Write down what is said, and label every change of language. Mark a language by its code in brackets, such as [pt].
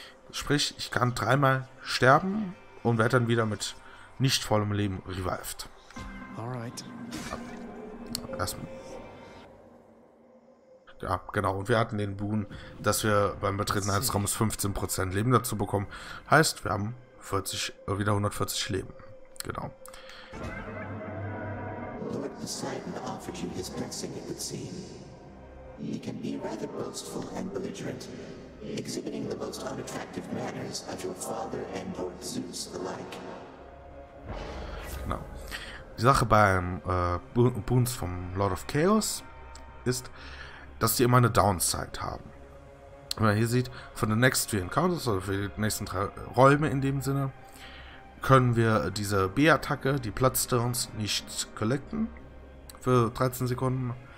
[de] Sprich, ich kann 3-mal sterben und werde dann wieder mit nicht vollem Leben revived. [en] Alright. [de] Erstmal. Ja, genau. Und wir hatten den Boon, dass wir beim Betreten eines Raumes 15% Leben dazu bekommen. Heißt, wir haben wieder 140 Leben. Genau. [en] Lord Poseidon offered you his blessing, it would seem. He can be rather boastful and belligerent, exhibiting the most unattractive manners of your father and Lord Zeus alike. [de] Genau. Die Sache beim Boons vom Lord of Chaos ist, dass die immer eine Downside haben. Wenn man hier sieht, von den [en] next 3 Encounters, [de] oder für die nächsten 3 Räume in dem Sinne, können wir diese B-Attacke, die platzte uns, nicht collecten für 13 Sekunden.